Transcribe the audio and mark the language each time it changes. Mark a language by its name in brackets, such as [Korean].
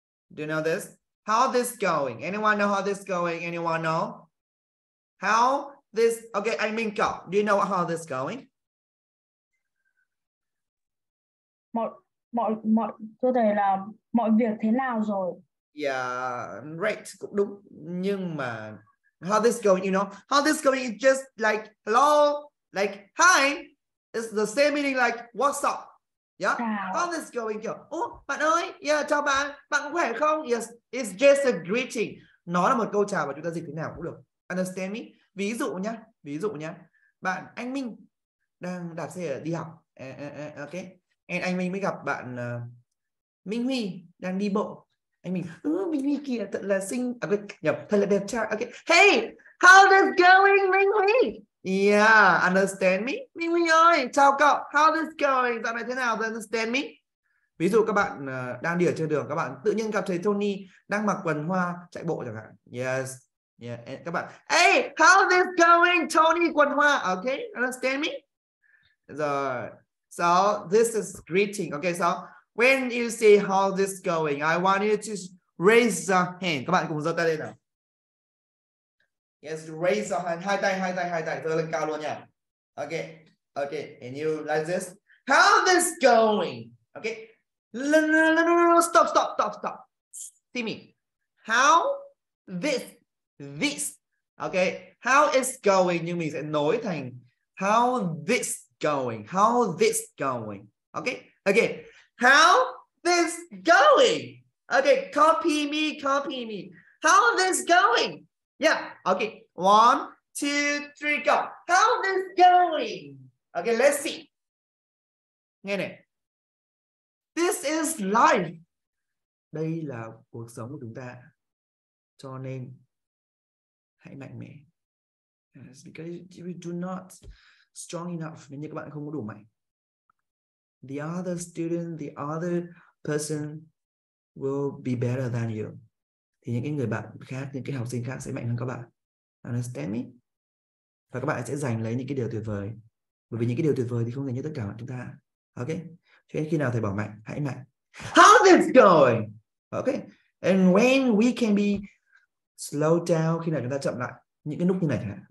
[English] Do you know this? How this going? Anyone know how this going? Anyone know? How this, okay, I mean go. Do you know how this going? [Vietnamese] Mọi tôi thấy là mọi việc thế nào rồi. [English] Yeah, right, [Vietnamese] cũng đúng. Nhưng mà [English] how this going, you know? How this going is just like hello, like hi. It's the same meaning like what's up. Yeah? [Vietnamese] Chào. How this going kiểu, oh, bạn ơi, yeah, chào bạn. Bạn khỏe không? [English] Yes, it's just a greeting. [Vietnamese] Nó là một câu chào và chúng ta dịch thế nào cũng được. [English] Understand me? [Vietnamese] Ví dụ nhá. Bạn anh Minh đang đạp xe đi học. Ok. And anh Minh mới gặp bạn Minh Huy đang đi bộ. Anh mình Minh Huy kìa thật là xinh à, nhập thật là đẹp trai. [English] Okay, hey, how is going [Vietnamese] Minh Huy? [English] Yeah, understand me? [Vietnamese] Minh Minh ơi, chào cậu. [English] How is it going? [Vietnamese] Dạo này thế nào? [English] Do you understand me? [Vietnamese] Ví dụ các bạn đang đi ở trên đường, các bạn tự nhiên gặp thầy Tony đang mặc quần hoa chạy bộ chẳng hạn. Yes. [English] Yeah, [Vietnamese] các bạn, [English] hey, how's this going, Tony quần hoa? Okay, understand me? Rồi. So, this is greeting. Okay, so when you say how this going, I want you to raise your hand. [Vietnamese] Các bạn cùng giơ tay lên nào. [English] Yes, raise your hand. [Vietnamese] Hai tay, giơ lên cao luôn nha. [English] Okay, and you like this. How this going? Okay. Stop. See me. How this. Okay. How is going? [Vietnamese] Nhưng mình sẽ nối thành how this going. [English] How this going. Okay. How this going? Okay. Copy me. How this going? Yeah. Okay. 1, 2, 3, go. How this going? Okay. Let's see. [Vietnamese] Nghe này. [English] This is life. [Vietnamese] Đây là cuộc sống của chúng ta. Cho nên hãy mạnh mẽ. [English] Yes, because you do not strong enough. [Vietnamese] Nên như các bạn không có đủ mạnh. [English] The other student, the other person will be better than you. [Vietnamese] Thì những cái người bạn khác, những cái học sinh khác sẽ mạnh hơn các bạn. [English] Understand me? [Vietnamese] Và các bạn sẽ giành lấy những cái điều tuyệt vời. Bởi vì những cái điều tuyệt vời thì không dành cho tất cả chúng ta. Okay? Cho nên khi nào thầy bảo mạnh, hãy mạnh. How this going? Okay. [English] And when we can be slow down, [Vietnamese] khi nào chúng ta chậm lại, những cái nút như này hả?